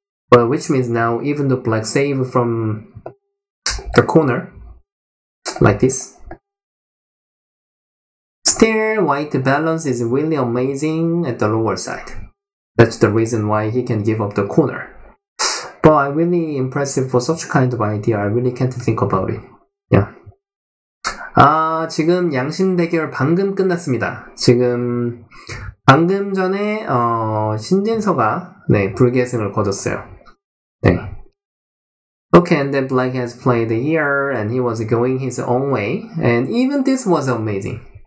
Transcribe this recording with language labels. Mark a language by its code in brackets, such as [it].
[en] But which means now even the black save from the corner like this. Still, white balance is really amazing at the lower side. That's the reason why he can give up the corner. But I'm really impressed for such kind of idea. I really can't think about it. Yeah. [ko] 아, 지금 양신 대결 방금 끝났습니다. 지금 방금 전에 신진서가 네 불계승을 거뒀어요. 네. [en] Okay, and then Black has played here, and he was going his own way, and even this was amazing.